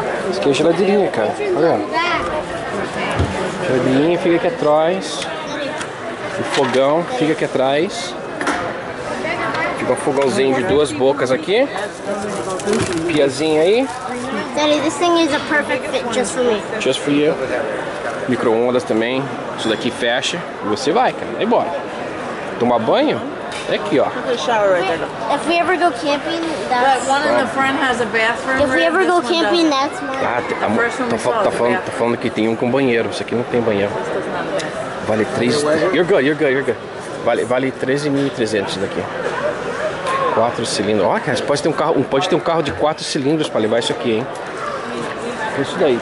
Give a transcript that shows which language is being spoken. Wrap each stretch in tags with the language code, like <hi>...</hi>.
<pt>Isso aqui é geladeirinha, cara. Olha. Geladeirinha fica aqui atrás. O fogão fica aqui atrás. Fica um fogãozinho de duas bocas aqui. Piazinha aí.</pt> <en>Daddy, this thing is a perfect fit just for me. Just for you.</en> <pt>Micro-ondas também. Isso daqui fecha. E você vai, cara. Vai embora. Tomar banho? É aqui, ó.</pt> <en>If we ever go camping, that's... But one of the friends has a bathroom. If we ever go camping, that's more...</en> <pt>Ah, tá falando que tem um com banheiro. Isso aqui não tem banheiro. Vale 3...</pt> <en>You're good.</en> <pt>Vale 13.300 daqui. Quatro cilindros. Ó, cara, pode ter um carro de quatro cilindros pra levar isso aqui, hein? Isso daí.</pt>